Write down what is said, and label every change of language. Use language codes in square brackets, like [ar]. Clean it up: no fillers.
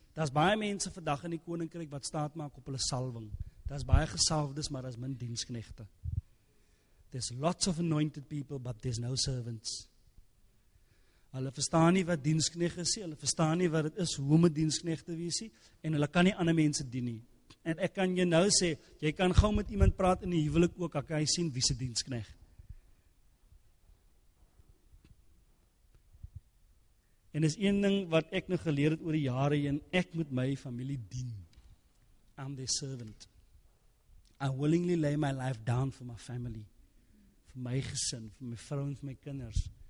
[af] Daar is baie mense vandag in die koninkryk wat staat maak op hulle salwing. Daar is baie gesalfdes, maar daar is min dienskneghte. [en] There's lots of anointed people, but there's no servants. [af] Hulle verstaan nie wat dienskneg is, hulle verstaan nie wat het is, hoe om 'n dienskneg te wees, en hulle kan nie ander mense dien nie. En ek kan jou nou sê, jy kan gauw met iemand praat in die huwelik ook, ek kan jy sien wie se dienskneg. En is een ding wat ek nou geleer het oor die jare heen, ek moet my familie dien. [en] I'm their servant. I willingly lay my life down for my family, [af] vir my gesin, vir my vrou en vir my kinders.